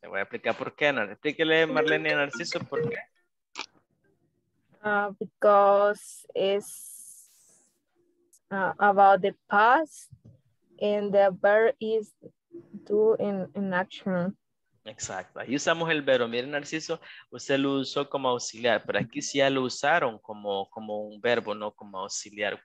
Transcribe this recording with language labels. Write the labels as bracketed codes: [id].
[es] Le voy a explicar por qué. No, explíquele, Marlene, a Narciso, por qué. [en] Because it's about the past and the verb is do in action. [es] Exacto. Ahí usamos el verbo. Miren, Narciso, usted lo usó como auxiliar, pero aquí sí ya lo usaron como un verbo, no como auxiliar.